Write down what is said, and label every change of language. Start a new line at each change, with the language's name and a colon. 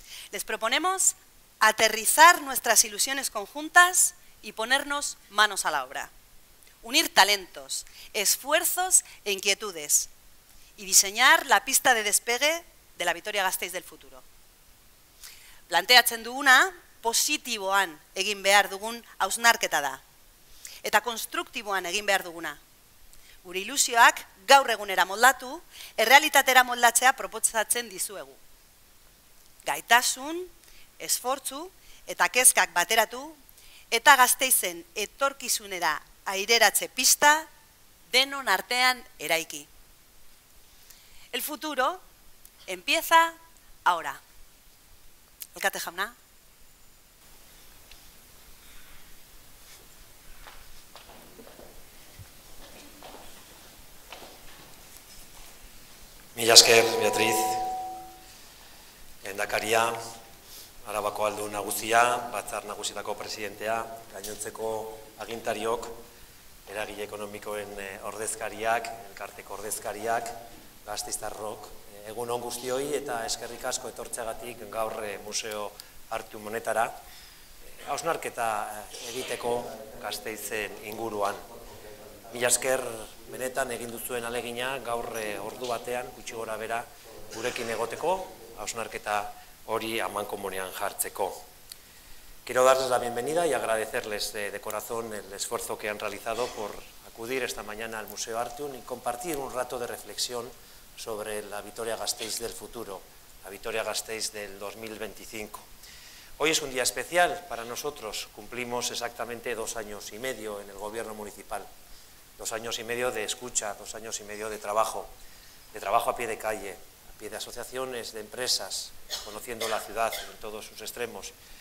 Spanish: Les proponemos aterrizar nuestras ilusiones conjuntas y ponernos manos a la obra. Unir talentos, esfuerzos e inquietudes y diseñar la pista de despegue de la Vitoria-Gasteiz del futuro.
Basque: Planteatzen duguna, positiboan egin behar dugun hausnarketa da. Eta konstruktiboan egin behar duguna. Gure ilusioak gaur egunera moldatu, errealitatera moldatzea proposatzen dizuegu. Gaitasun, esfortzu eta kezkak bateratu, eta Gasteizen etorkizunera aireratze pista denon artean eraiki.
Spanish: El futuro empieza ahora.
Basque: Elkate jauna. Mila esker, Beatriz, lehendakaria, Arabako aldu nagusia, batzar nagusietako presidentea, gainontzeko agintariok, eragile ekonomikoen ordezkariak, elkarteko ordezkariak, Gasteiztarrok, egun on guztioi eta eskerrik asko etortzeagatik gaur Museo Artium honetara, hausnarketa egiteko Gasteizen inguruan. Mila esker benetan egin duzuen alegina gaur ordu batean gutxi gora bera gurekin egoteko, hausnarketa hori amankomunean jartzeko.
Spanish: Quiero darles la bienvenida y agradecerles de corazón el esfuerzo que han realizado por acudir esta mañana al Museo Artium y compartir un rato de reflexión sobre la Vitoria-Gasteiz del futuro, la Vitoria-Gasteiz del 2025. Hoy es un día especial para nosotros, cumplimos exactamente 2 años y medio en el Gobierno Municipal, 2 años y medio de escucha, 2 años y medio de trabajo a pie de calle, a pie de asociaciones, de empresas, conociendo la ciudad en todos sus extremos.